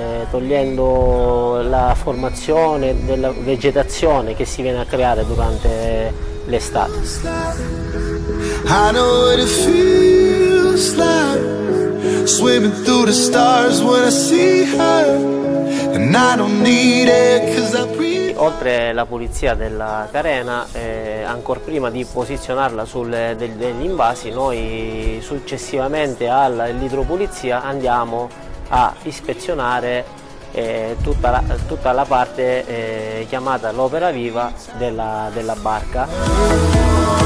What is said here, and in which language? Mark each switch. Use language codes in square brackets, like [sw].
[it] Togliendo la formazione della vegetazione che si viene a creare durante l'estate. [en] I know what it feels like swimming through the stars when I see her and I don't need it cause I breathe. [it] Oltre alla pulizia della carena, ancor prima di posizionarla degli invasi, noi successivamente all'idropulizia andiamo a ispezionare tutta la parte chiamata l'opera viva della barca.